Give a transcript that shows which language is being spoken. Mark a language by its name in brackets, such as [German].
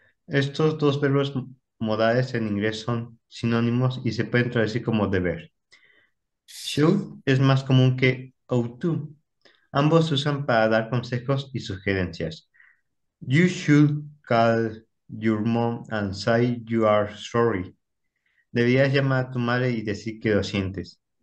[Spanish] Estos dos verbos modales en inglés son sinónimos y se pueden traducir como deber. Should es más común que ought to. Ambos se usan para dar consejos y sugerencias. [English] You should call your mom and say you are sorry. [Spanish] Deberías llamar a tu madre y decir que lo sientes.